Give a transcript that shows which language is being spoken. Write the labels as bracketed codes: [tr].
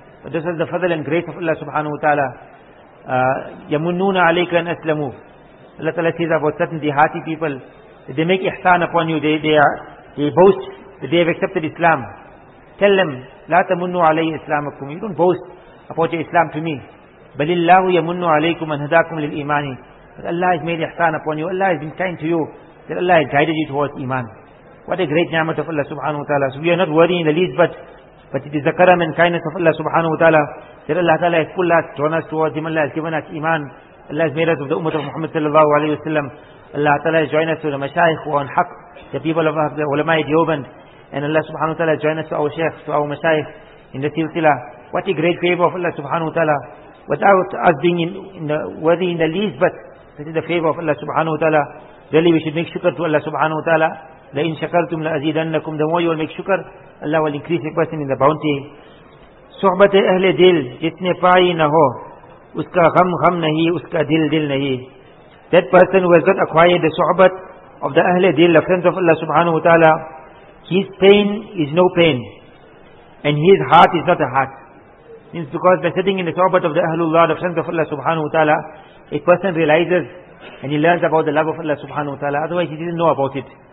[en] But this is the fadl and grace of Allah subhanahu wa ta'ala. [ar] Yamununa alayka an aslamu. [en] Allah Ta'ala says about certain dihati people, that they make ihsan upon you, they boast that they have accepted Islam. Tell them, [ar] لا تمنوا علي إسلامكم. [en] You don't boast about your Islam to me. [ar] بل الله يمن عليكم أن هداكم للإيمان. [en] That Allah has made ihsan upon you. Allah has been kind to you. That Allah has guided you towards iman. What a great ni'mat of Allah subhanahu wa ta'ala. So we are not worthy in the least, but it is the karam and kindness of Allah subhanahu wa ta'ala that Allah ta'ala has pulled us, drawn us towards him. Allah has given us iman. Allah has made us of the ummah of Muhammad sallallahu alayhi wa sallam. Allah ta'ala has joined us to the mashayikh who are on haq, the people of the ulama Dioband. And Allah subhanahu wa ta'ala has joined us to our shaykh, to our mashayikh in the silsila. What a great favor of Allah subhanahu wa ta'ala. Without us being worthy in the least, but this is the favor of Allah subhanahu wa ta'ala. Really, we should make shukr to Allah subhanahu wa ta'ala. [ar] لَإِن شَكَرْتُمْ لَأَزِيدَنَّكُمْ. [en] The more you will make shukr, Allah will increase your blessing in the bounty. [ur] صُحْبَتِ اَهْلِ دِلْ جِتْنِ پَائِ نَ هُو اس کا غم غم نہیں اس کا دل دل نہیں. [en] That person who has not acquired the suhbat of the ahl-e dil, the friends of Allah subhanahu wa ta'ala, his pain is no pain and his heart is not a heart. It's because by sitting in the suhbat of the ahlullah, the friends of Allah subhanahu wa ta'ala, a person realizes and he learns about the love of Allah subhanahu wa ta'ala. Otherwise he didn't know about it.